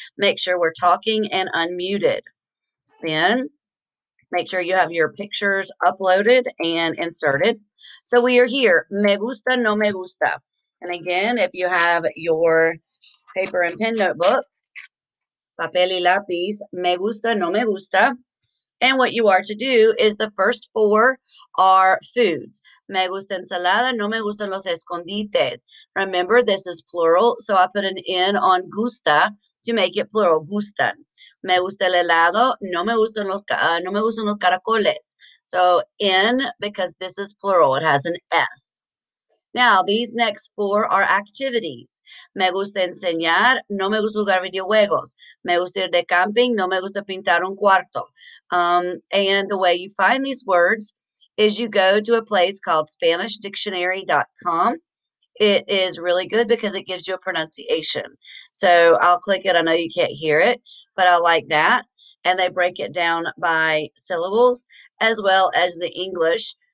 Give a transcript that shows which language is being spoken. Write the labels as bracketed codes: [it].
[en] Make sure we're talking and unmuted. Then make sure you have your pictures uploaded and inserted. So we are here. [es] Me gusta, no me gusta. [en] And again, if you have your paper and pen notebook, [es] papel y lápiz, me gusta, no me gusta. [en] And what you are to do is the first four are foods. [es] Me gusta ensalada, no me gustan los escondites. [en] Remember, this is plural, so I put an N on gusta to make it plural, gustan. [es] Me gusta el helado, no me gustan los caracoles. [en] So N, because this is plural, it has an S. Now, these next four are activities. [es] Me gusta enseñar, no me gusta jugar videojuegos. Me gusta ir de camping, no me gusta pintar un cuarto. [en] And the way you find these words is you go to a place called SpanishDictionary.com. It is really good because it gives you a pronunciation. So I'll click it. I know you can't hear it, but I like that. And they break it down by syllables as well as the English.